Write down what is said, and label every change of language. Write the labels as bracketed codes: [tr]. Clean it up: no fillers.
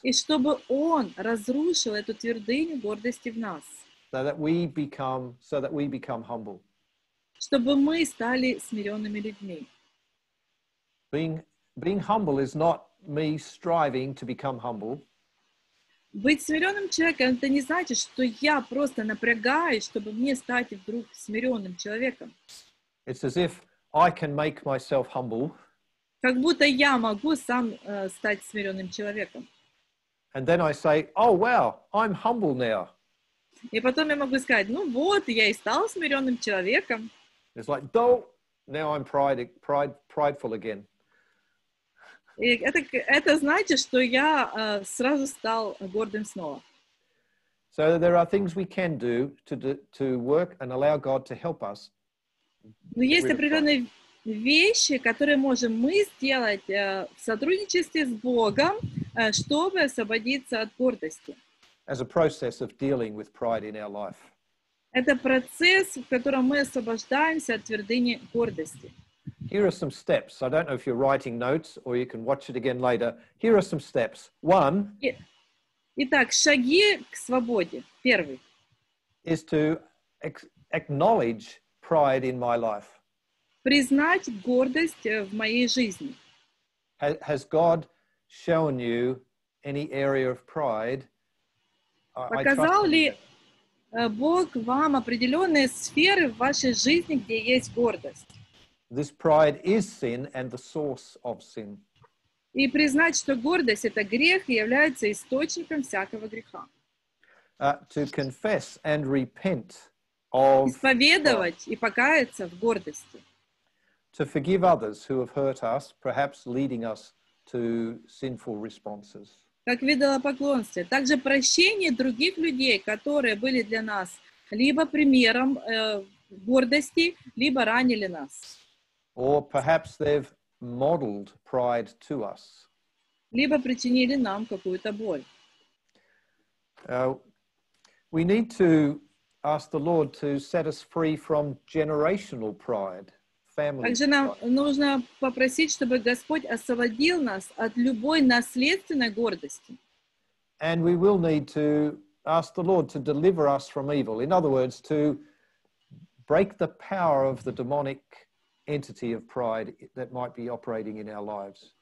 [ru] И чтобы Он разрушил эту твердыню гордости в нас. [en] So that we become humble. [ru] Чтобы мы стали смиренными людьми. [en] Being humble is not me striving to become humble. [ru] Быть смиренным человеком — это не значит, что я просто напрягаюсь, чтобы мне стать вдруг смиренным человеком. [en] It's as if I can make myself humble. [ru] Как будто я могу сам стать смиренным человеком. [en] And then I say, oh, wow, I'm humble now. [ru] И потом я могу сказать, ну вот, я и стал смиренным человеком. [en] It's like, don't, now I'm prideful again. [ru] И это значит, что я сразу стал гордым снова. [en] So there are things we can do to work and allow God to help us. [ru] Но есть определенные вещи, которые можем мы сделать в сотрудничестве с Богом, чтобы освободиться от гордости. [en] As a process of dealing with pride in our life. [ru] Это процесс, в котором мы освобождаемся от твердыни гордости. [en] Here are some steps. I don't know if you're writing notes or you can watch it again later. Here are some steps. One. [ru] Итак, шаги к свободе. Первый. [en] Is to acknowledge pride in my life. [ru] Признать гордость в моей жизни. [en] Has God shown you any area of pride? [ru] Показал ли Бог вам определенные сферы в вашей жизни, где есть гордость? [en] This pride is sin and the source of sin. [ru] И признать, что гордость — это грех и является источником всякого греха. [en] To confess and repent of [ru] исповедовать и покаяться в гордости. [en] To forgive others who have hurt us, perhaps leading us to sinful responses. [ru] Как видела поклонствие. Также прощение других людей, которые были для нас либо примером гордости, либо ранили нас. [en] Or perhaps they've modeled pride to us. [ru] Либо причинили нам какую-то боль. [en] We need to ask the Lord to set us free from generational pride. [ru] Также нам нужно попросить, чтобы Господь освободил нас от любой наследственной гордости. [en] And we will need to ask the Lord to deliver us from evil. In other words, to break the power of the demonic entity of pride that might be operating in our lives.